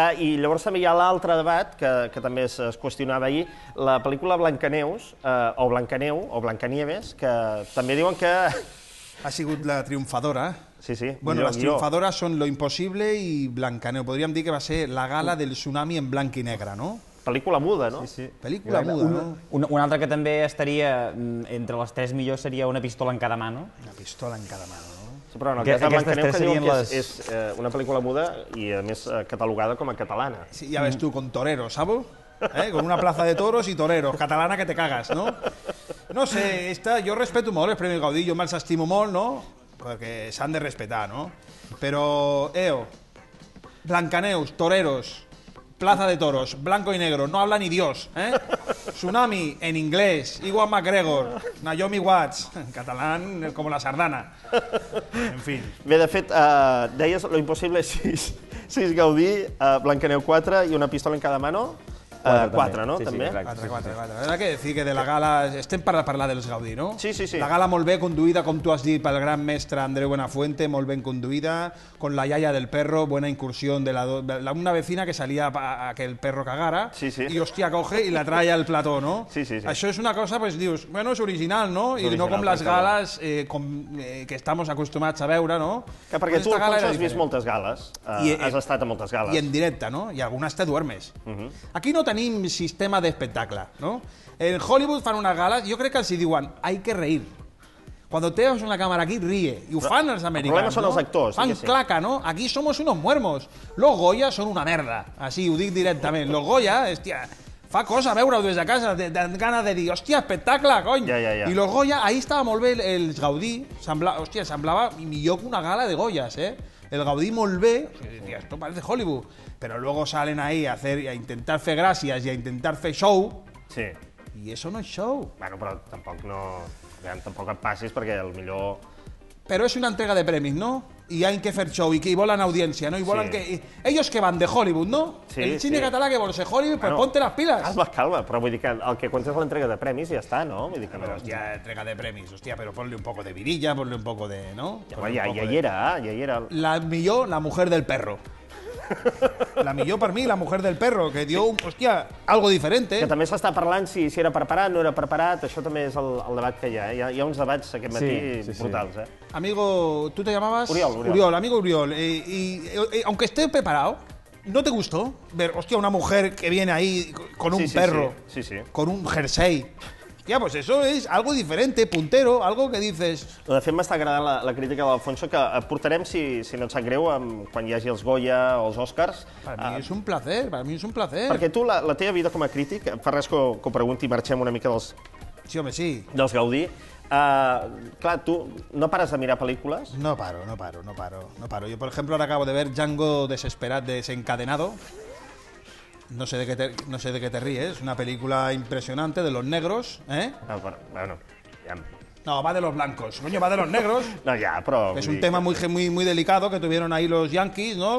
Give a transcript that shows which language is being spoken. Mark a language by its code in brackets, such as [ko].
[es] Y llavors también hay [ca] l'altre debat, [es] que también es cuestionaba ahí, la película Blancaneus, o Blancaneu, o Blancanieves, que también diuen que... [ca] Ha sigut la triomfadora. Sí, sí. [es] Bueno, las triomfadoras son Lo imposible y Blancaneu. Podríamos decir que va ser la gala del tsunami en blanc y negre, ¿no? [ca] Pel·lícula muda, no? Sí, sí. Pel·lícula muda, no? Una altra que també estaria entre les tres millors seria Una pistola en cada mà, no? Una pistola en cada mà, no? Sí, però no, aquestes tres serien que diuen les... És una pel·lícula muda i, a més, catalogada com a catalana. [es] Sí, ja ves tu, con toreros, ¿sabes? Con una plaza de toros y toreros, catalana que te cagas, no? [ca] No sé, jo respeto molt el Premi Gaudí, jo me'ls estimo molt, no? Perquè s'han de respetar, no? Però, Blancaneus, toreros... [es] Plaza de Toros, blanco y negro, no habla ni Dios, ¿eh? Tsunami, en inglés, Iwan McGregor, Naomi Watts, en catalán, como la sardana. En fin. [ca] Bé, de fet, deies Lo imposible 6 Gaudí, Blancaneu 4 i Una pistola en cada mano. 4, no? Sí, també. Sí, 4. [es] Era que decir que de la gala... [ca] Estem per parlar dels Gaudí, no? Sí, sí, sí. La gala molt bé conduïda, com tu has dit, pel gran mestre Andreu Buenafuente, molt ben conduïda, [es] con la iaia del perro, buena incursión de una vecina que salia a que el perro cagara, [ca] sí, sí. I hostia, coge i la trae al plató, no? Sí, sí, sí. Això és una cosa, pues dius, bueno, és original, no? Original, i no com les gales que estamos acostumats a veure, no? Que perquè pues tu, Alfonso, has vist moltes gales, has estat a moltes gales. I en directe, no? I algunes [es] te duermes. [ca] Aquí no tenim sistema d'espectacle, no? En Hollywood fan unes gales, jo crec que els diuen, hay que reír. [es] Cuando te vas una cámara aquí, ríe. Y ufan los americanos. El problema son los actores. [ca] Fan claca, ¿no? [es] Aquí somos unos muermos. Los Goya son una merda. Así, lo digo directamente. [ca] Los Goya, hostia, fa cosa veure-ho des de casa. Tens ganas de dir, hostia, espectacle, coño. Ja, ja, ja. [es] Y los Goya, ahí [ca] estaba molt bé el Gaudí. Hostia, semblava millor que una gala de Goyas, ¿eh? El Gaudí molt bé, [es] esto parece Hollywood. Pero luego salen ahí a intentar [ca] fer gràcies [es] y a intentar fer show. Sí. Y eso no es show. [ca] Bueno, pero tampoco no... Tampoc et passis, perquè el millor... Però és una entrega de premis, no? [es] y hay que hacer show y que volan audiencia, ¿no? Y volan sí. Que ellos que van de Hollywood, ¿no? Sí, el cine sí. Català que vol ser Hollywood, bueno, pues ponte las pilas. Calma, calma, pero vull dir que el que cuenta es la entrega de premis y ya está, ¿no? [ca] Vull dir que [es] pero, hostia, entrega de premis, hostia, pero ponle un poco de virilla, ponle un poco de, ¿no? Ya, ya, ya era, ya era. La millor, la mujer del perro. La millor per mi, la mujer del perro, que diu, sí. Hòstia, algo diferente. [ca] Que també s'està parlant si era preparat, no era preparat, això també és el debat que hi ha, eh? Hi ha uns debats aquest matí brutals. Sí. Eh? [es] Amigo, tu te llamabas? Oriol. Oriol, amigo Oriol, y aunque esté preparado, ¿no te gustó ver, hòstia, una mujer que viene ahí con un perro, sí. Con un jersey? Ya, pues eso es algo diferente, puntero, algo que dices... [ca] De fet, m'està agradant la crítica de l'Alfonso, que portarem, si no et sap greu, quan hi hagi els Goya o els Oscars. Per mi és un placer. Perquè tu, la teva vida com a crític, fa res que ho pregunti, marxem una mica dels... Sí, home, sí. Dels Gaudí. Clar, tu no pares de mirar pel·lícules? No paro. [es] Yo, por ejemplo, ahora acabo de ver Django Desesperat Desencadenado. No sé de qué te ríes, una película impresionante de los negros, ¿eh? Bueno, ya. No, va de los blancos, coño, va de los negros. No, ya, pero... Es un tema muy, muy, muy delicado que tuvieron ahí los yanquis, ¿no?